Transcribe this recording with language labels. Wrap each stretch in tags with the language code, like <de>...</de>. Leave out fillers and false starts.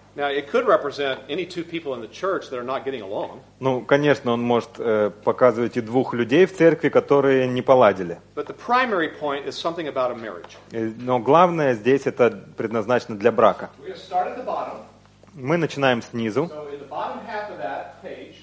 <en>Now, it could represent any two people in the church that are not getting along.</en> <ru>Ну, конечно, он может показывать и двух людей в церкви, которые не поладили.</ru> <en>But the primary point is something about a marriage.</en> <ru>Но главное здесь это предназначено для брака.</ru> <en>We're going to start at the bottom.</en> <ru>Мы начинаем снизу.</ru> <en>So in the bottom half of that page.</en>